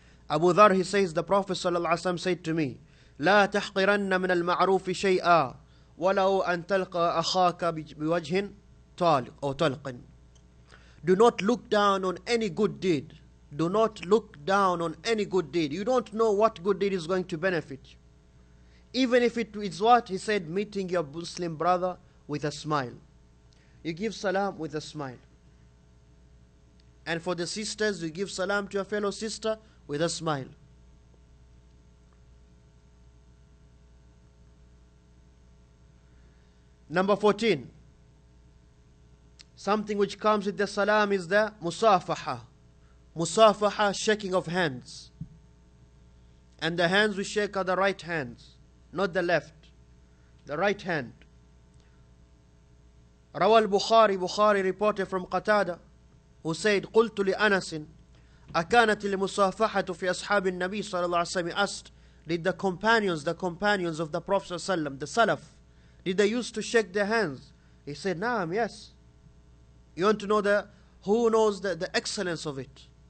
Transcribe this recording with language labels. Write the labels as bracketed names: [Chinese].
[English] Abu Dhar, he says, the Prophet ﷺ said to me, [Arabic] لا تحقرن من المعروف شيئا ولو أن تلقى أخاك بوجه طلق. [English] Do not look down on any good deed. Do not look down on any good deed. You don't know what good deed is going to benefit you. Even if it is what? He said, meeting your Muslim brother with a smile. You give salam with a smile. And for the sisters, you give salam to your fellow sister with a smile. Number 14. Something which comes with the salam is the musafaha. Musafaha, shaking of hands. And the hands we shake are the right hands, not the left. The right hand. [Arabic] Rawal Bukhari, [English] Bukhari reported from Qatada, who said, [Arabic] قلت لأنس أكانت المصافحة في أصحاب النبي صلى الله عليه وسلم. [English] He asked, did the companions of the Prophet صلى الله عليه وسلم, the Salaf, did they used to shake their hands? He said, Naam, yes. You want to know who knows the excellence of it?